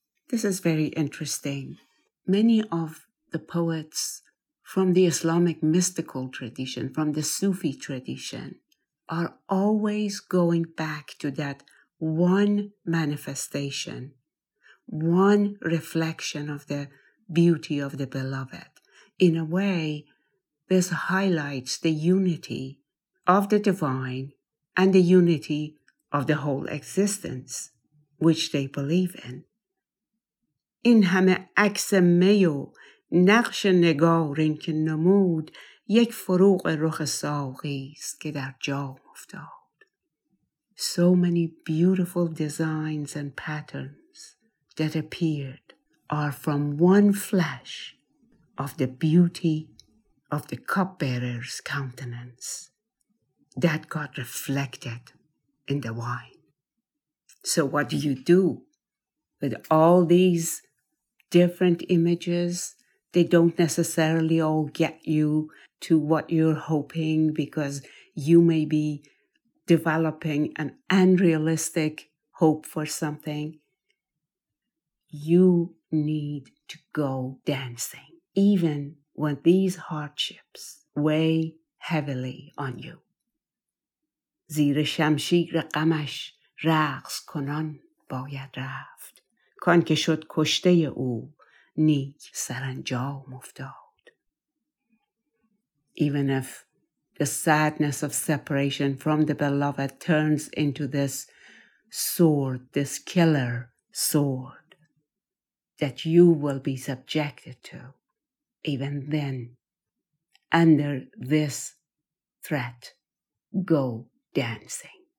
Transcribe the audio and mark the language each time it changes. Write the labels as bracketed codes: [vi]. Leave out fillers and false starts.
[en] This is very interesting. Many of the poets from the Islamic mystical tradition, from the Sufi tradition, are always going back to that one manifestation, one reflection of the beauty of the beloved. In a way, this highlights the unity of the divine and the unity of the whole existence, which they believe in. [fa] این همه عکس می و نقش نگارین که نمود یک فروغ رخ ساقی است که در جام افتاد. [en] So many beautiful designs and patterns that appeared are from one flash of the beauty of the cupbearer's countenance that got reflected in the wine. So what do you do with all these different images? They don't necessarily all get you to what you're hoping, because you may be developing an unrealistic hope for something. You need to go dancing, even when these hardships weigh heavily on you. [fa] زیر شمشیر غمش رقص کنان باید رفت، کان که شد کشته او نیک سرانجام افتاد. [en] Even if the sadness of separation from the beloved turns into this sword, this killer sword that you will be subjected to, even then, under this threat, go dancing.